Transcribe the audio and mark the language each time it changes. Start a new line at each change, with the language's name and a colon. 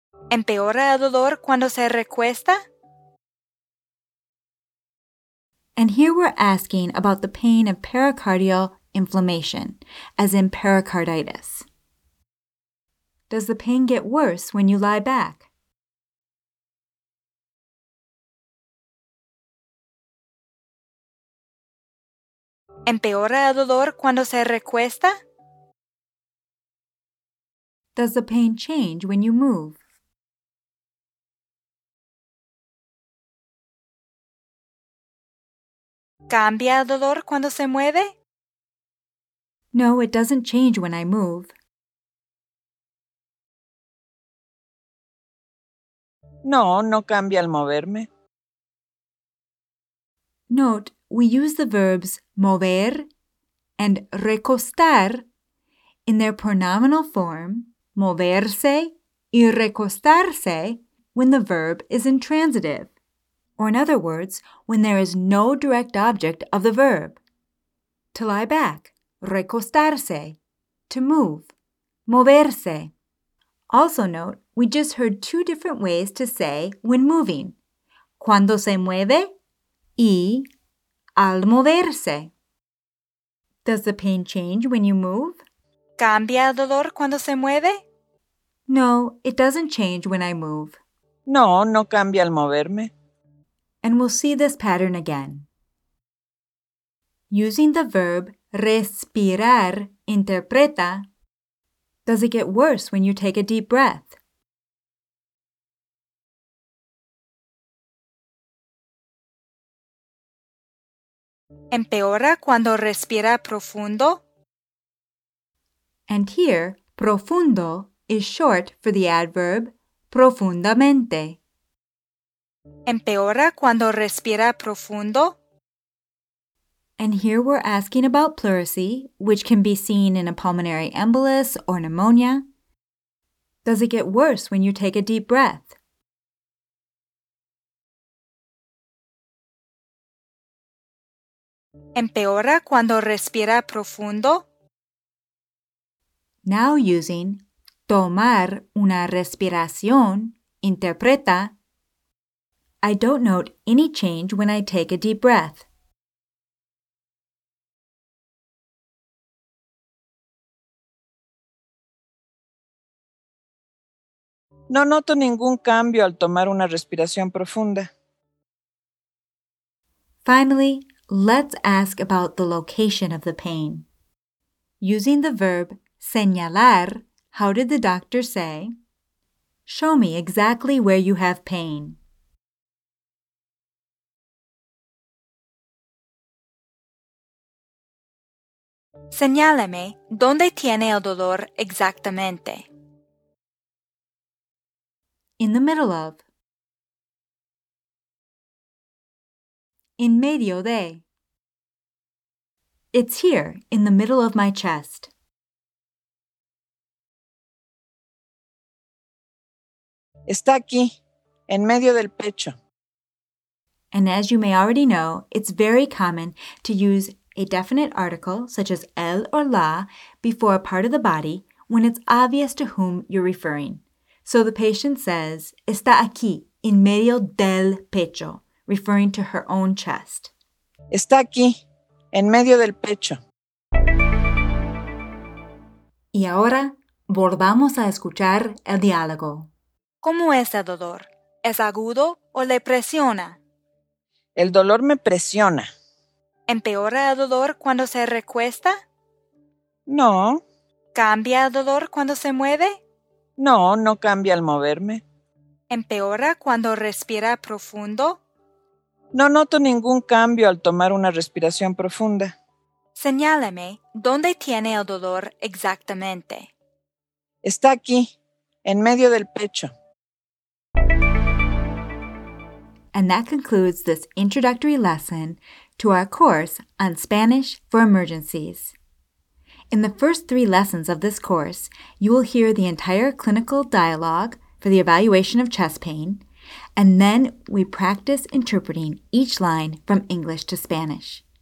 Spanish: ¿Empeora el dolor cuando se recuesta?
English: And here we're asking about the pain of pericardial inflammation, as in pericarditis. Does the pain get worse when you lie back?
Spanish: ¿Empeora el dolor cuando se recuesta?
English: Does the pain change when you move?
Spanish: ¿Cambia el dolor cuando se mueve?
English: No, it doesn't change when I move.
Spanish: No, no cambia al moverme.
English: Note, we use the verbs mover and recostar in their pronominal form,
Spanish: moverse y recostarse,
English: when the verb is intransitive, or in other words, when there is no direct object of the verb. To lie back, recostarse, to move, moverse. Also note, we just heard two different ways to say when moving,
Spanish: cuando se mueve y al moverse.
English: Does the pain change when you move?
Spanish: ¿Cambia el dolor cuando se mueve?
English: No, it doesn't change when I move.
Spanish: No, no cambia al moverme.
English: And we'll see this pattern again. Using the verb respirar, interpreta, does it get worse when you take a deep breath?
Spanish: ¿Empeora cuando respira profundo?
English: And here, profundo is short for the adverb profundamente.
Spanish: ¿Empeora cuando respira profundo?
English: And here we're asking about pleurisy, which can be seen in a pulmonary embolus or pneumonia. Does it get worse when you take a deep breath?
Spanish: ¿Empeora cuando respira profundo?
English: Now using
Spanish: tomar una respiración,
English: interpreta, I don't note any change when I take a deep breath.
Spanish: No noto ningún cambio al tomar una respiración profunda.
English: Finally, let's ask about the location of the pain. Using the verb señalar, how did the doctor say? Show me exactly where you have pain.
Spanish: Señáleme dónde tiene el dolor exactamente.
English: In the middle of.
Spanish: In medio de.
English: It's here, in the middle of my chest.
Spanish: Está aquí, en medio del pecho.
English: And as you may already know, it's very common to use a definite article, such as el or la, before a part of the body when it's obvious to whom you're referring. So the patient says,
Spanish: está aquí, en medio del pecho,
English: referring to her own chest.
Spanish: Está aquí, en medio del pecho. Y ahora, volvamos a escuchar el diálogo. ¿Cómo es el dolor? ¿Es agudo o le presiona? El dolor me presiona. ¿Empeora el dolor cuando se recuesta? No. ¿Cambia el dolor cuando se mueve? No, no cambia al moverme. ¿Empeora cuando respira profundo? No noto ningún cambio al tomar una respiración profunda. Señáleme dónde tiene el dolor exactamente. Está aquí, en medio del pecho.
English: And that concludes this introductory lesson to our course on Spanish for Emergencies. In the first three lessons of this course, you will hear the entire clinical dialogue for the evaluation of chest pain, and then we practice interpreting each line from English to Spanish.